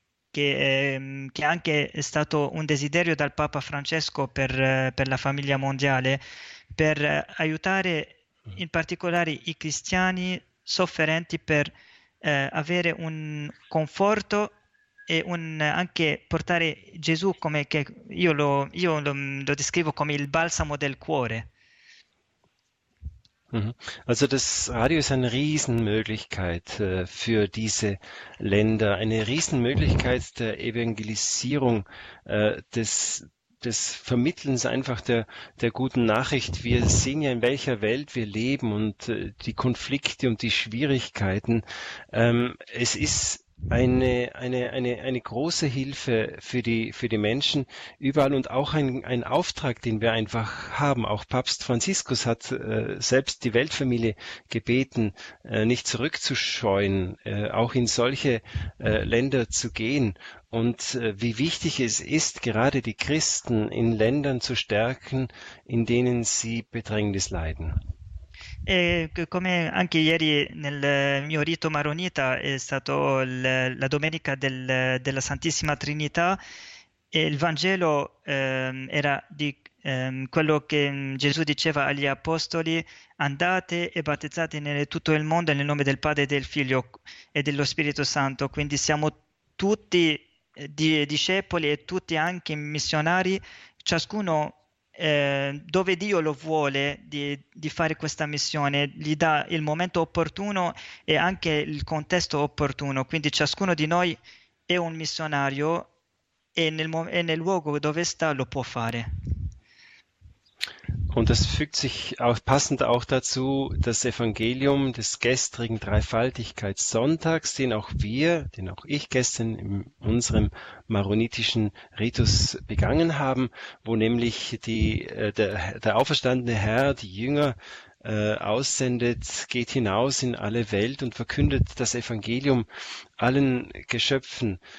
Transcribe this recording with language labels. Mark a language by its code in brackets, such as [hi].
[it] che anche è stato un desiderio dal Papa Francesco per la famiglia mondiale, per aiutare in particolare i cristiani sofferenti per avere un conforto e anche portare Gesù come che io lo descrivo come il balsamo del cuore. [de] Also das Radio ist eine Riesenmöglichkeit für diese Länder, eine Riesenmöglichkeit der Evangelisierung, des Vermittelns einfach der guten Nachricht. Wir sehen ja, in welcher Welt wir leben und die Konflikte und die Schwierigkeiten. Es ist eine große Hilfe für die Menschen überall und auch ein Auftrag, den wir einfach haben. Auch Papst Franziskus hat selbst die Weltfamilie gebeten, nicht zurückzuscheuen, auch in solche Länder zu gehen. Und wie wichtig es ist, gerade die Christen in Ländern zu stärken, in denen sie Bedrängnis leiden. [it] E come anche ieri nel mio rito maronita è stata la domenica della Santissima Trinità e il Vangelo era di quello che Gesù diceva agli apostoli: andate e battezzate in tutto il mondo nel nome del Padre, del Figlio e dello Spirito Santo. Quindi siamo tutti discepoli e tutti anche missionari, ciascuno. Dove Dio lo vuole di fare questa missione, gli dà il momento opportuno e anche il contesto opportuno. Quindi ciascuno di noi è un missionario e nel luogo dove sta lo può fare. [de] Und das fügt sich auch passend auch dazu, das Evangelium des gestrigen Dreifaltigkeitssonntags, den auch wir, den auch ich gestern in unserem maronitischen Ritus begangen haben, wo nämlich der auferstandene Herr die Jünger aussendet, geht hinaus in alle Welt und verkündet das Evangelium allen Geschöpfen.